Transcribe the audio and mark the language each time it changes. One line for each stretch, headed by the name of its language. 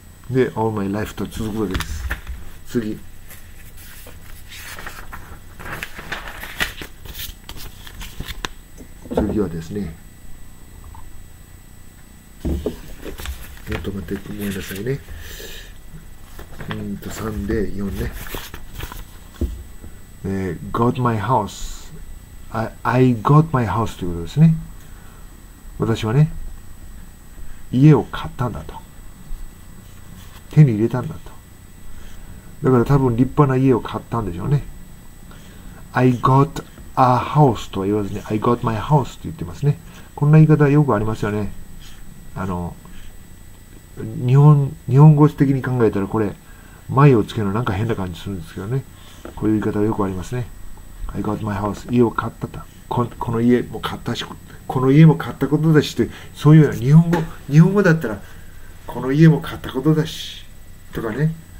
Japanese: で、All my life と続くわけです。次、次はですね、ちょっと待ってごめんなさいね、3で4ね、Got my house、
English: I got my house
Japanese: ということですね。私はね、家を買ったんだと、手に入れたんだと。だから多分立派な家を買ったんでしょうね。
English: I gotA house
Japanese: とは言わずに
English: I got my house
Japanese: と言ってますね。こんな言い方よくありますよね。日本語的に考えたらこれ前をつけるのなんか変な感じするんですけどね。こういう言い方よくありますね。
English: I got my house、
Japanese: 家を買ったと、この家も買ったし、この家も買ったことだしって、そういうような日本語だったらこの家も買ったことだしとかね。